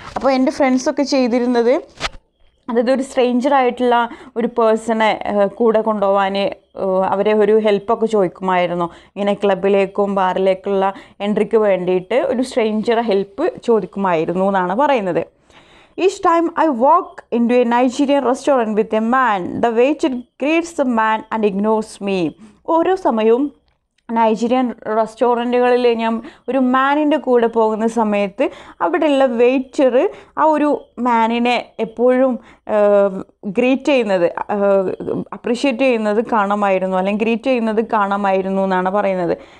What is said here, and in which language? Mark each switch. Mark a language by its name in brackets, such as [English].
[Malayalam] അപ്പോൾ എൻ്റെ ഫ്രണ്ട്സൊക്കെ ചെയ്തിരുന്നത് അതായത് ഒരു സ്ട്രേഞ്ചറായിട്ടുള്ള ഒരു പേഴ്സണെ കൂടെ കൊണ്ടുപോകാൻ അവരെ ഒരു ഹെൽപ്പൊക്കെ ചോദിക്കുമായിരുന്നു. ഇങ്ങനെ ക്ലബിലേക്കും ബാറിലേക്കുള്ള എൻട്രിക്ക് വേണ്ടിയിട്ട് ഒരു സ്ട്രേഞ്ചറെ ഹെൽപ്പ് ചോദിക്കുമായിരുന്നു എന്നാണ് പറയുന്നത്. [English] Each time I walk into a Nigerian restaurant with a man, the waiter greets the man and ignores me. [Malayalam] ഓരോ സമയവും നൈജീരിയൻ റെസ്റ്റോറൻറ്റുകളിൽ ഞാൻ ഒരു മാനിൻ്റെ കൂടെ പോകുന്ന സമയത്ത് അവിടെയുള്ള വെയ്റ്റർ ആ ഒരു മാനിനെ എപ്പോഴും ഗ്രീറ്റ് ചെയ്യുന്നത്, അപ്രീഷിയേറ്റ് ചെയ്യുന്നത് കാണാമായിരുന്നു, അല്ലെങ്കിൽ ഗ്രീറ്റ് ചെയ്യുന്നത് കാണാമായിരുന്നു എന്നാണ് പറയുന്നത്.